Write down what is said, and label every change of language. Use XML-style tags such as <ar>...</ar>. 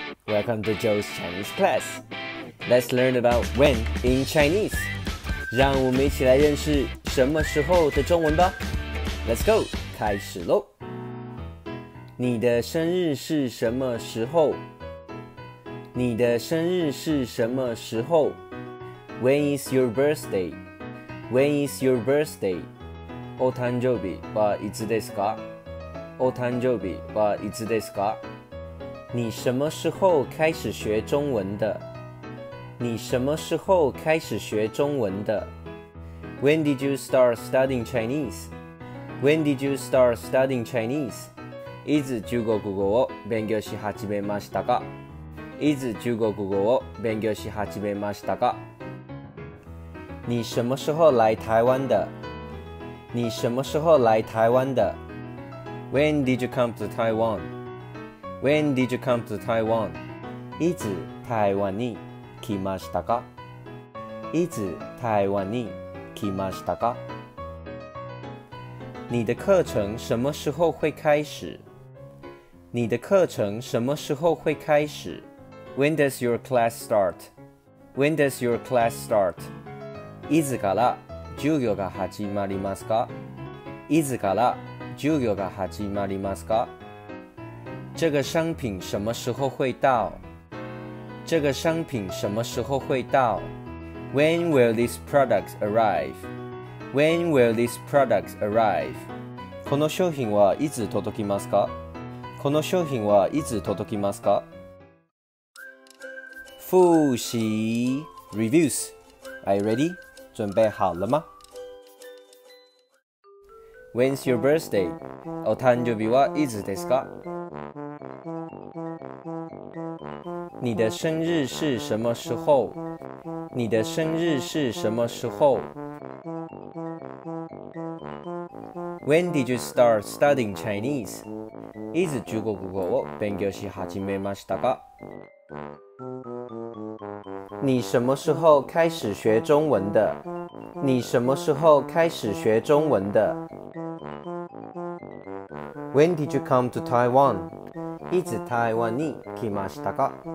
<en>Welcome to Joe's Chinese Class. Let's learn about when in Chinese.</en> <zh>让我们一起来认识什么时候的中文吧。</zh> <en>Let's go,</en> <zh>开始咯。你的生日是什么时候？你的生日是什么时候？</zh> <en>When is your birthday? When is your birthday?</en> <ja>お誕生日はいつですか？お誕生日はいつですか？</ja> <zh>你什么时候开始学中文的？你什么时候开始学中文的？</zh> <en>When did you start studying Chinese? When did you start studying Chinese?</en> <ja>いつ中国語を勉強し始めましたか？いつ中国語を勉強し始めましたか？</ja> <zh>你什么时候来台湾的？你什么时候来台湾的？</zh> <en>When did you come to Taiwan? When did you come to Taiwan?</en> <ja>いつ台湾に来ましたか？いつ台湾に来ましたか？</ja> <zh>你的课程什么时候会开始？你的课程什么时候会开始？</zh> <en>When does your class start? When does your class start?</en> <ja>いつから授業が始まりますか？いつから授業が始まりますか？</ja> <zh>这个商品什么时候会到？这个商品什么时候会到？</zh> <en>When will this product arrive? When will this product arrive?</en> <ja>この商品はいつ届きますか？この商品はいつ届きますか？</ja> <zh>复习</zh> <en>reviews. Are you ready?</en> <zh>准备好了吗？</zh> <en>When's your birthday?</en> <ja>お誕生日はいつですか？</ja> <zh>你的生日是什么时候？你的生日是什么时候？</zh> <en>When did you start studying Chinese?</en> <ja>いつ中国語を勉強し始めましたか？</ja> <zh>你什么时候开始学中文的？你什么时候开始学中文的？</zh> <en>When did you come to Taiwan?</en> <ja>いつ台湾に来ましたか？</ja>